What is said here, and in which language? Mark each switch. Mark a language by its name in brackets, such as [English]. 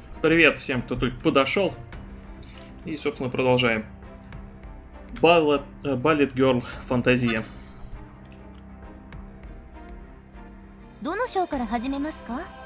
[Russian] Привет всем, кто только подошел. И, собственно, продолжаем. [English] Ballet Girl Фантазия. [Japanese] どの章から始めますか?